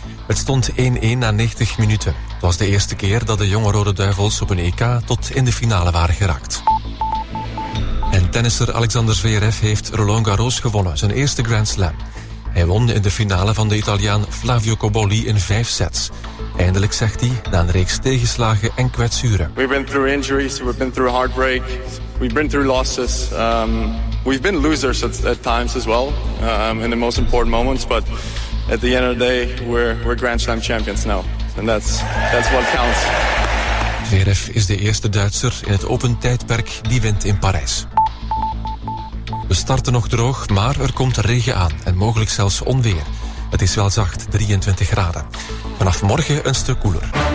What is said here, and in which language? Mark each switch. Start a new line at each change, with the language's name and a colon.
Dutch: Het stond 1-1 na 90 minuten. Het was de eerste keer dat de jonge Rode Duivels op een EK tot in de finale waren geraakt. En tennisser Alexander Zverev heeft Roland Garros gewonnen, zijn eerste Grand Slam. Hij won in de finale van de Italiaan Flavio Cobolli in 5 sets. Eindelijk, zegt hij, na een reeks tegenslagen en kwetsuren.
English: We've been through injuries, we've been through heartbreak, we've been through losses. We've been losers at times as well, in the most important moments. But at the end of the day, we're Grand Slam champions now. And that's what counts.
Dutch: Zverev is de eerste Duitser in het open tijdperk die wint in Parijs. We starten nog droog, maar er komt regen aan en mogelijk zelfs onweer. Het is wel zacht, 23 graden. Vanaf morgen een stuk koeler.